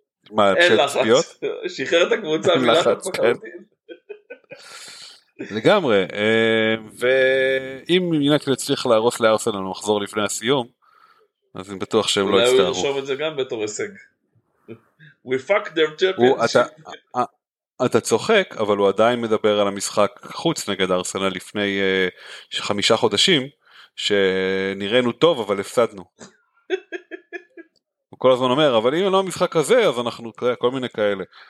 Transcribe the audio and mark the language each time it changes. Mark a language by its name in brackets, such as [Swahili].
[Hebrew] מה, אין לחץ. שחרר את הקבוצה. אין לחץ, כן. לגמרי. ואם יונייטד יצליח להרוס לארסנל ומחזור לפני הסיום, אז אני בטוח שהם לא יצטערו. אולי הוא ירשום את זה גם בתור הישג. [English] We fuck their championship. [Hebrew] אתה צוחק, אבל הוא עדיין מדבר על המשחק חוץ נגד ארסנל לפני 5 חודשים. שנראינו טוב אבל הפסדנו. הוא כל הזמן אומר, אבל אם לא המשחק הזה אז אנחנו כל מיני כאלה.